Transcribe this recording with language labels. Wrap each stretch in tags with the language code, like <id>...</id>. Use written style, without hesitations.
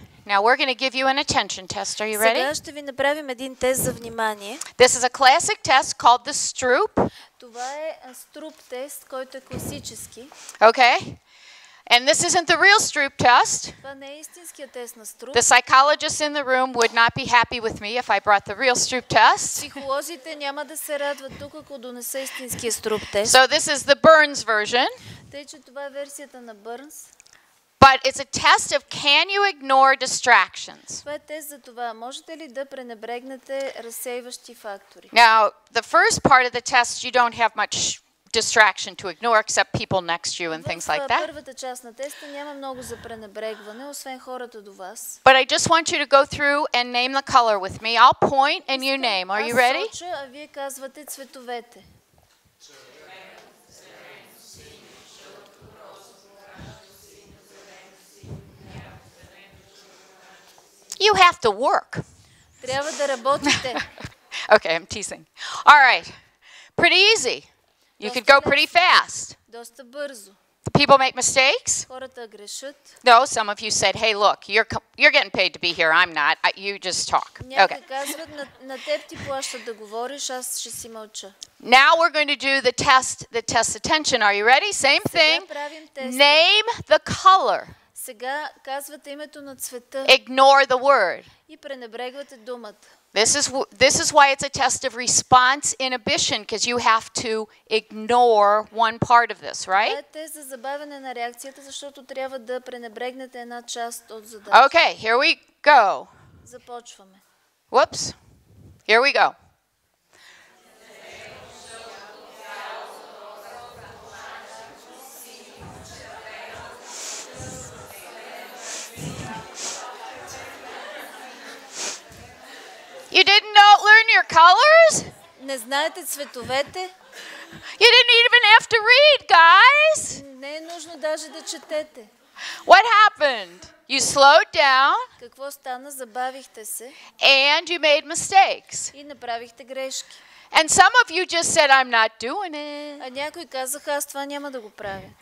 <en>Now we're going to give you an attention test. Are you ready?</en> <bg>Сега ще ви направим един тест за внимание.</bg> <en>This is a classic test called the Stroop.</en> <bg>Това е Stroop тест, който е класически.</bg> <en>Okay. And this isn't the real Stroop test.</en> <bg>Това не е истинският тест на Stroop.</bg> <en>The psychologists in the room would not be happy with me if I brought the real Stroop test.</en> <bg>Психолозите няма да се радват тук, ако донеса истинския Stroop тест.</bg> <en>So this is the Burns version.</en> <bg>Тъй, че това е версията на Burns.</bg> <en>But it's a test of can you ignore distractions?</en> <bg>Това е тест за това, можете ли да пренебрегнете разсейващи фактори?</bg> <en>Now, the first part of the test, you don't have much distraction to ignore except people next to you and things like that.</en> <bg>Първата част на теста няма много за пренебрегване, освен хората до вас.</bg> <en>But I just want you to go through and name the color with me. I'll point and you name. Are you ready?</en> <bg>Аз соча, а вие казвате цветовете.</bg> <en>You have to work.</en> <bg>Трябва да работите.</bg> <en>Okay, I'm teasing. All right. Pretty easy. You could go pretty fast.</en> <bg>Доста бързо.</bg> <en>The people make mistakes?</en> <bg>Хората грешат.</bg> <en>No, some of you said, "Hey, look, you're getting paid to be here. I'm not. You just talk." Okay.</en> <bg>Някои казват, на теб ти плащат да говориш, аз ще си мълча.</bg> <en>Now we're going to do the test that tests attention. Are you ready? Same thing.</en> <bg>Сега правим тест.</bg> <en>Name the color.</en> <bg>Сега казвате името на цвета.</bg> <en>Ignore the word.</en> <bg>И пренебрегвате думата.</bg> <en>This is why it's a test of response inhibition because you have to ignore one part of this, right?</en> <bg>Това е тест за забавяне на реакцията, защото трябва да пренебрегнете една част от задачата.</bg> <en>Okay, here we go.</en> <bg>Започваме.</bg> <en>Whoops. Here we go. You didn't not learn your colors?</en> <bg>Не знаете цветовете?</bg> <en>You didn't even have to read, guys?</en> <bg>Не е нужно даже да четете.</bg> <en>What happened? You slowed down.</en> <bg>Какво стана? Забавихте се.</bg> <en>And you made mistakes.</en> <bg>И направихте грешки.</bg> <en>And some of you just said, I'm not doing it.</en> <bg>А някой казах, аз това няма да го правя.</bg>